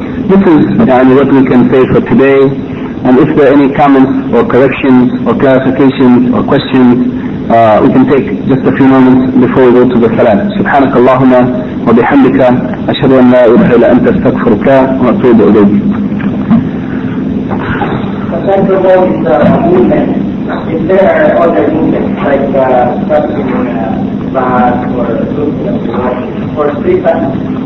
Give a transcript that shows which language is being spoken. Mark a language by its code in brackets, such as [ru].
[en] This is [ar] يعني, [en] what we can say for today. And if there are any comments or corrections or clarifications or questions, we can take just a few moments before we go to the salat. [ar] سبحانك اللهم وبحمدك أشهد أن لا إله إلا أنت أستغفرك وأتوب إليك. [en] Second of all is movement. Is there other movements like touching on a bat or looking at the light or street button?